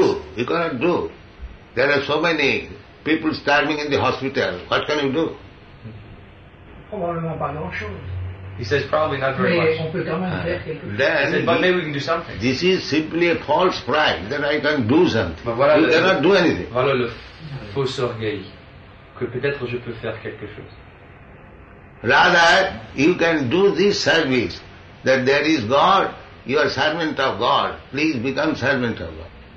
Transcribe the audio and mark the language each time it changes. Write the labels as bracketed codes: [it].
[en] Do. You cannot do. There are so many people starving in the hospital. What can you do? [fr] Probablement pas grand chose. [en] He says probably not very much. [fr] On peut quand même faire quelque chose. [en] Then he said, but maybe we can do something. This is simply a false pride that I can do something. But voilà you cannot do anything. [fr] Voilà le faux orgueil que peut-être je peux faire quelque chose. [en] Rather, you can do this service, that there is God, you are servant of God, please become servant of God.